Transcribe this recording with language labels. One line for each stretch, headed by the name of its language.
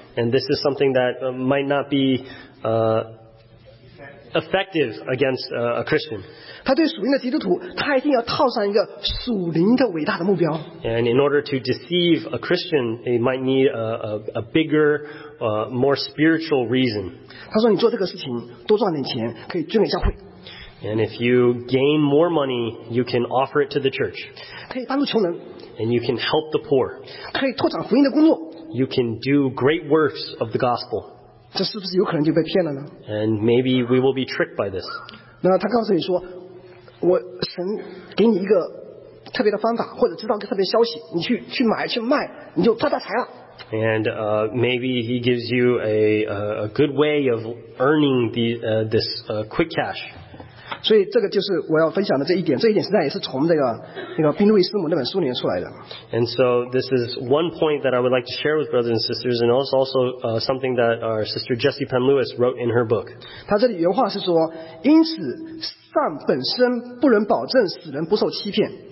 English: And this is something that might not be effective against a Christian.
Chinese: 他对属灵的基督徒，他一定要套上一个属灵的伟大的目标。
English: And in order to deceive a Christian, he might need a bigger, more spiritual reason.
Chinese: 他说：“你做这个事情，多赚点钱，可以捐给教会。
English: And if you gain more money, you can offer it to the church.
Chinese: 可以帮助穷人。
English: And you can help the poor.
Chinese: 可以拓展福音的工作。
English: You can do great works of the gospel.
Chinese: 这是不是有可能就被骗了呢？
English: And maybe we will be tricked by this.
Chinese: 那他告诉你说。我神给你一个特别的方法，或者知道一个特别消息，你去买去卖，你就发大财了。
English: And maybe he gives you a good way of earning this quick cash.
Chinese: 所以这个就是我要分享的这一点，这一点实际上也是从那个宾路易斯姆那本书里面出来的。
English: And so this is one point that I would like to share with brothers and sisters, and it's also something that our sister Jessie Penn Lewis wrote in her book.
Chinese: 他这里原话是说，因此。善本身不能保证使人不受欺骗。